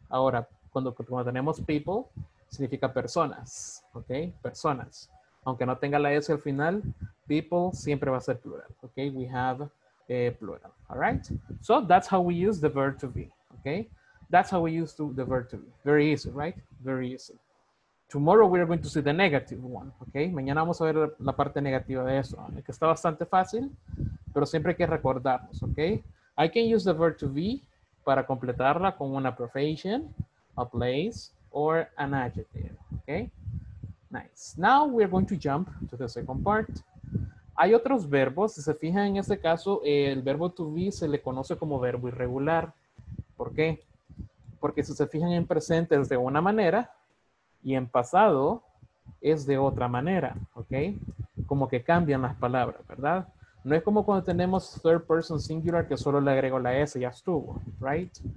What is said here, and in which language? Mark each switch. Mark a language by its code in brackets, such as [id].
[es] Ahora, cuando tenemos people, significa personas. Okay. Personas. Aunque no tenga la S al final, people siempre va a ser plural. Okay. [en] We have a plural. All right. So that's how we use the verb to be. Okay. That's how we use the verb to be. Very easy, right? Very easy. Tomorrow we are going to see the negative one. Okay. [es] Mañana vamos a ver la parte negativa de eso. Que está bastante fácil. Pero siempre hay que recordarnos, okay? [en] I can use the verb to be [es] para completarla con una [en] profession, a place, or an adjective, okay? Nice. Now we're going to jump to the second part. [es] Hay otros verbos. Si se fijan, en este caso, el verbo to be se le conoce como verbo irregular. ¿Por qué? Porque si se fijan, en presente es de una manera y en pasado es de otra manera, okay? Como que cambian las palabras, ¿verdad? No es como cuando tenemos third person singular que solo le agrego la S y ya estuvo, right?